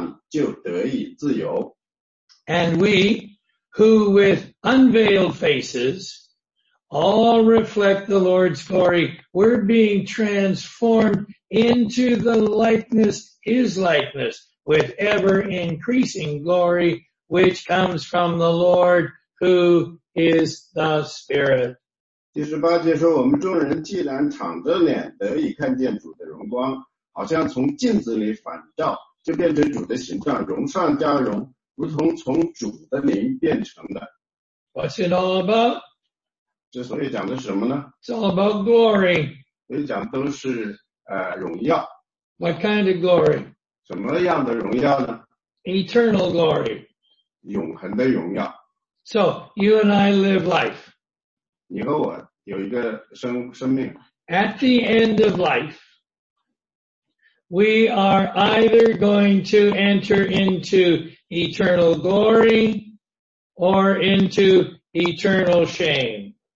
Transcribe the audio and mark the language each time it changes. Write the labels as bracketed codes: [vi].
[zh] 第十七节说呢，主就是那灵，主的灵在哪里，那你就得以自由。 [en] And we, who with unveiled faces, all reflect the Lord's glory. We're being transformed into the likeness, His likeness, with ever increasing glory, which comes from the Lord, who is the Spirit. [zh] 第十八节说，我们众人既然敞着脸得以看见主的荣光，好像从镜子里反照，就变成主的形状，荣上加荣，如同从主的灵变成的。 [en] What's it all about? [zh] 这所以讲的是什么呢? [en] It's all about glory. [zh] 所以讲的都是荣耀。 [en] What kind of glory? [zh] 什么样的荣耀呢? [en] Eternal glory. [zh] 永恒的荣耀。 [en] So, you and I live life. [zh] 你和我有一个生命。 [en] At the end of life, we are either going to enter into eternal glory or into eternal shame.